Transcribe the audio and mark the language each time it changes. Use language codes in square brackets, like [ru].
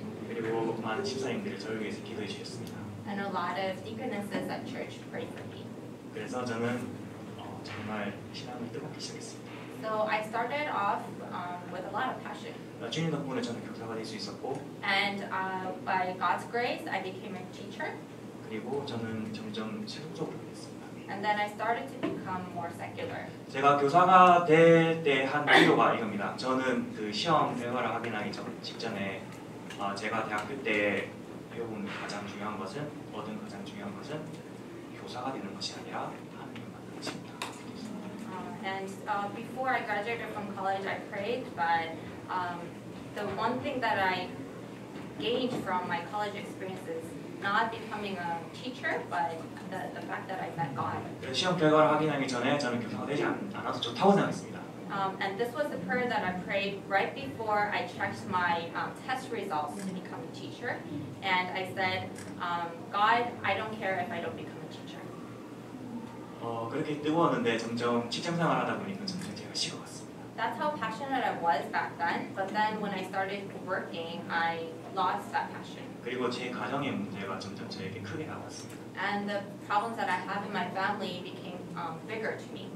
[en] And a lot of deaconesses at church prayed for me. [ko] 그래서 저는 정말 신앙이 뜨겁기 시작했습니다. [en] So I started off with a lot of passion. [ko] 주님 덕분에 저는 교사가 될 수 있었고. [en] And by God's grace, I became a teacher. [ko] 그리고 저는 점점 세속적으로 됐습니다. [en] And then I started to become more secular. [ko] 제가 교사가 될 때 한 이유가 이겁니다. 저는 그 시험 대화를 하기 직전에 제가 대학교 때 배운 가장 중요한 것은 얻은 가장 중요한 것은 교사가 되는 것이 아니라 하나님을 만나는 것입니다. [en] And before I graduated from college, I prayed, but the one thing that I gained from my college experience is not becoming a teacher, but the fact that I met God. [ko] 시험 결과를 확인하기 전에 저는 교사가 되지 않아서 좋다고 생각했습니다. [en] And this was the prayer that I prayed right before I checked my test results to become a teacher. And I said, God, I don't care if I don't become a teacher. [ko] 그렇게 뜨거웠는데 점점 직장생활 하다 보니까 점점 제가 식어갔습니다. [en] That's how passionate I was back then. But then when I started working, I lost that passion. [ko] 그리고 제 가정의 문제가 점점 저에게 크게 나왔습니다. [en] And the problems that I have in my family became bigger to me.